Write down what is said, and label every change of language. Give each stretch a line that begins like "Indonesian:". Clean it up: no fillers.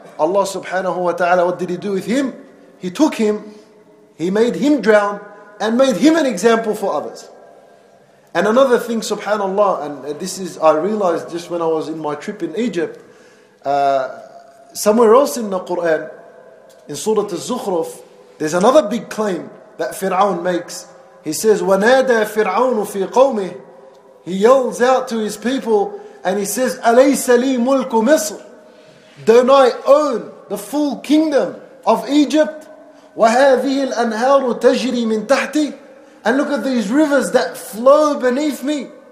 English: Allah subhanahu wa ta'ala, what did he do with him? He took him, he made him drown and made him an example for others. And another thing, subhanallah, and this is, I realized just when I was in my trip in Egypt, somewhere else in the Quran, in Surah Az-Zukhruf, there's another big claim that Fir'aun makes. He says,
Arabic: وَنَادَى فِرْعَوْنُ فِي قَوْمِهِ.
English: He yells out to his people and he says,
Arabic: أَلَيْسَ لِي مُلْكُ مِصْرِ.
English: Don't I own the full kingdom of Egypt?
Arabic: وَهَذِهِ الْأَنْهَارُ تَجْرِي مِنْ تَحْتِي.
English: And look at these rivers that flow beneath me.